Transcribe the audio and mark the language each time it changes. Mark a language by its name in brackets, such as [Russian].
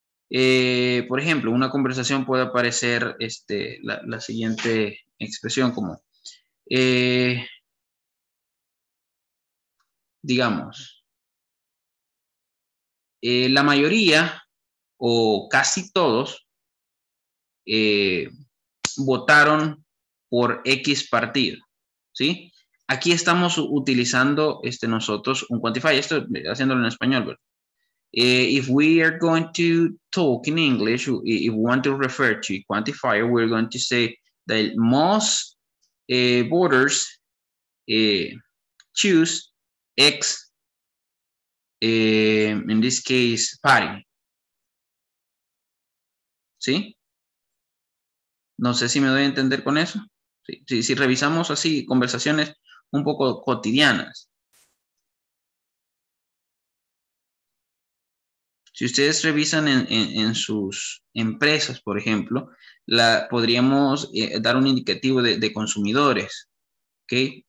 [Spanish] Por ejemplo, una conversación puede aparecer la siguiente expresión como, la mayoría o casi todos votaron por X partido, ¿sí? Aquí estamos utilizando nosotros un quantifier, esto haciéndolo en español, ¿verdad? [English] If we are going to talk in English, if we want to refer to a quantifier, we're going to say that most borders choose X, in this case, Patty. [Spanish] ¿Sí? No sé si me doy a entender con eso. Si revisamos así conversaciones un poco cotidianas. Si ustedes revisan en sus empresas, por ejemplo, podríamos dar un indicativo de consumidores. ¿Okay?